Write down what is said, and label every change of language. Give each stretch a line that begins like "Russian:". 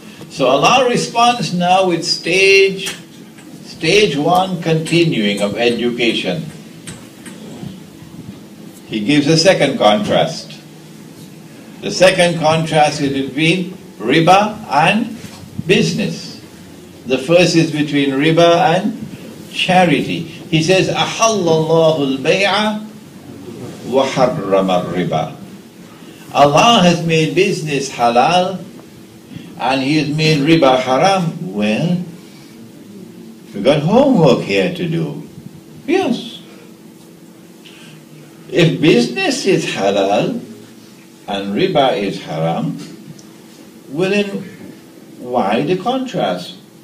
English: So Allah responds now with stage one continuing of education. He gives a second contrast. The second contrast is between riba and business. The first is between riba and charity. He says,
Arabic: أَحَلَّ اللَّهُ وَحَرَّمَ الرِّبَى.
English: Allah has made business halal and He has made riba haram. Well, we've got homework here to do. Yes. If business is halal and riba is haram, well then, why the contrast?